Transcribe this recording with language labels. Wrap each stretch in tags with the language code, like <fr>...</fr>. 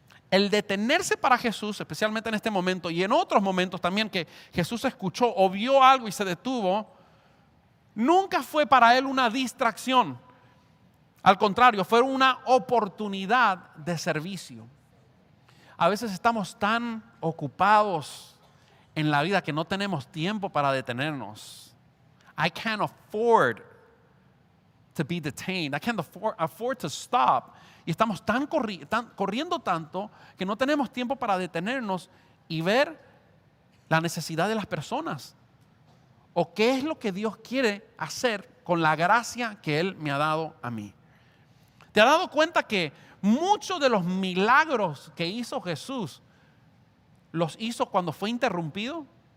<es>El detenerse para Jesús, especialmente en este momento y en otros momentos también que Jesús escuchó o vio algo y se detuvo, nunca fue para Él una distracción. Al contrario, fue una oportunidad de servicio. A veces estamos tan ocupados en la vida que no tenemos tiempo para detenernos.</es> <en>I can't afford to be detained. I can't afford to stop.</en> <es>Y estamos corriendo tanto que no tenemos tiempo para detenernos y ver la necesidad de las personas. O qué es lo que Dios quiere hacer con la gracia que Él me ha dado a mí. ¿Te has dado cuenta que muchos de los milagros que hizo Jesús los hizo cuando fue interrumpido?</es>